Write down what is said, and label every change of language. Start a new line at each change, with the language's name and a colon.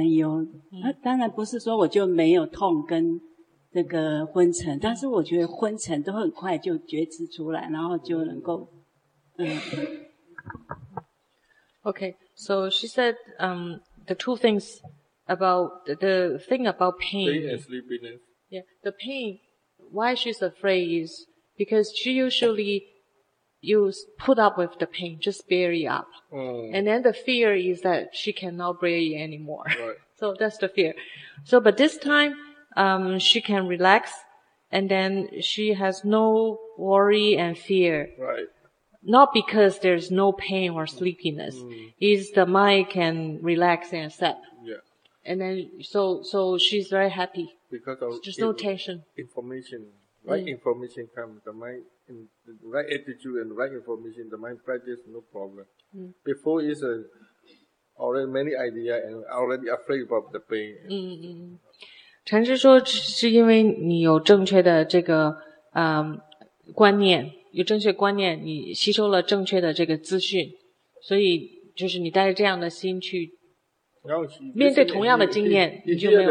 Chinese: 我发现到这个改变，然后我知道是因为我懂得在静坐跟行，就是关照那个疼痛跟那个，就是昏沉。我觉得我有真正的放松。那而且我觉得那种预期的那个害怕，就是在这种氛围哦，禅修的氛围是好像这是很那个，一个就是很艰难的，接纳这种就是很难看啊等等。然后还有就是真的是那种觉知的那种开展，觉得自己在这两个部分，觉知的开展，还有真正的放松。就是我觉得我这次真的都没有，没有就是害怕担忧。那当然不是说我就没有痛跟。
English: Okay, so she said the two things about the thing about pain. Pain and sleepiness. Yeah, the pain, why she's afraid is because she usually use put up with the pain, just bear it up. And then the fear is that she cannot bear it anymore. Right. So that's the fear. So, but this time, she can relax, and then she has no worry and fear. Right. Not because there's no pain or sleepiness. Mm. It's the mind can relax and accept. Yeah. And then, so she's very happy. Because of just no tension. Information, right? Yeah. Information comes. The mind, in the right attitude and right information. The mind practice, no problem. Mm. Before is already many idea and already afraid about the pain.
Chinese: 嗯嗯嗯，禅师说，是因为你有正确的这个观念，有正确观念，你吸收了正确的这个资讯，所以就是你带着这样的心去。面对同样的经验，你就没有。